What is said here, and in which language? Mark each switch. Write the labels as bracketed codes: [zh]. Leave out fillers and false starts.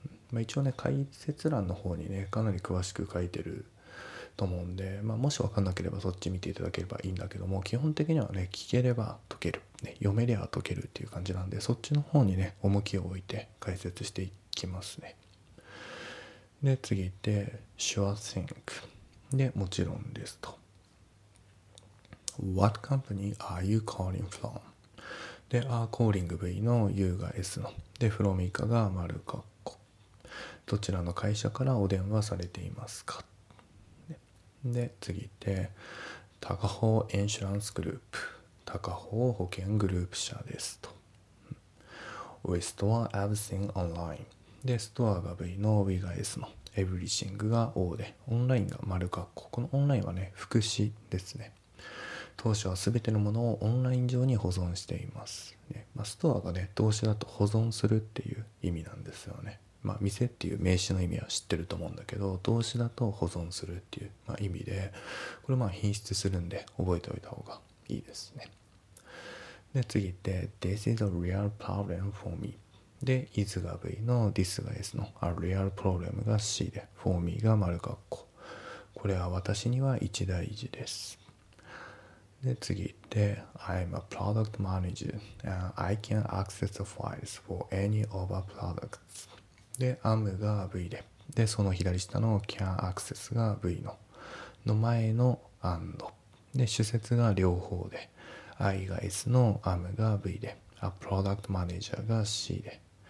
[ja] まあ、一応ね、解説欄の方にね、かなり詳しく書いてると思うんで、まあ、もし分かんなければそっち見ていただければいいんだけども、基本的にはね、聞ければ解ける、ね、読めりゃ解けるっていう感じなんで、そっちの方にね重きを置いて解説していきますね。で次行って、 [en] Sure thing [ja] でもちろんですと。 [en] What company are you calling from? [ja] で [en] Are calling [ja] V の U が S ので、 From 以下が丸括弧、どちらの会社からお電話されていますか。で次行って、タカホーインシュランスグループ、タカホー保険グループ社ですと。 [en] We store everything online。 [ja] で、ストアが V の We が S の Everything が O で、オンラインが丸括弧。このオンラインはね、副詞ですね。当社はすべてのものをオンライン上に保存しています。ね、まあ、ストアがね、動詞だと保存するっていう意味なんですよね。まあ、店っていう名詞の意味は知ってると思うんだけど、動詞だと保存するっていう、まあ、意味で、これまあ品質するんで覚えておいた方がいいですね。で次行って、 [en] This is a real problem for me [ja] で is が V の this が S の [en] a real problem [ja] が C で for me が丸括弧、これは私には一大事です。で次行って [en] I'm a product manager and I can access the files for any of our products [ja] で am が V ででその左下の [en] can access [ja] が V のの前の and で主節が両方で I が S の am が V で a product manager が C で